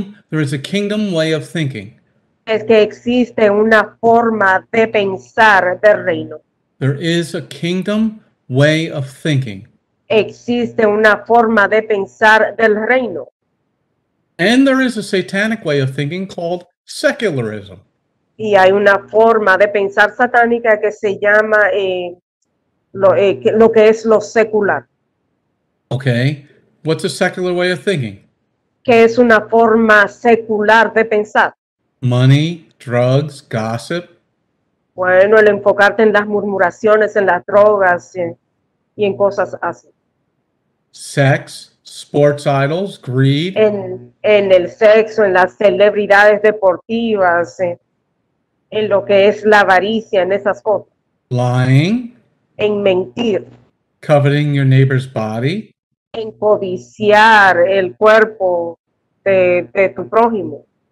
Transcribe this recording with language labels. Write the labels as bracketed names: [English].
[English] There is a kingdom way of thinking. [Spanish] Es que existe una forma de pensar del reino. [English] There is a kingdom way of thinking. [Spanish] Existe una forma de pensar del reino. [English] And there is a satanic way of thinking called secularism. [Spanish] Y hay una forma de pensar satánica que se llama lo que es lo secular. [English] Okay, what's a secular way of thinking? [Spanish] ¿Qué es una forma secular de pensar? [English] Money, drugs, gossip. [Spanish] Bueno, el enfocarte en las murmuraciones, en las drogas y en cosas así. [English] Sex, sports idols, greed. [Spanish] En el sexo, en las celebridades deportivas, en lo que es la avaricia, en esas cosas. [English] Lying. [Spanish] En mentir. [English] Coveting your neighbor's body. [Spanish] En codiciar el cuerpo de tu prójimo.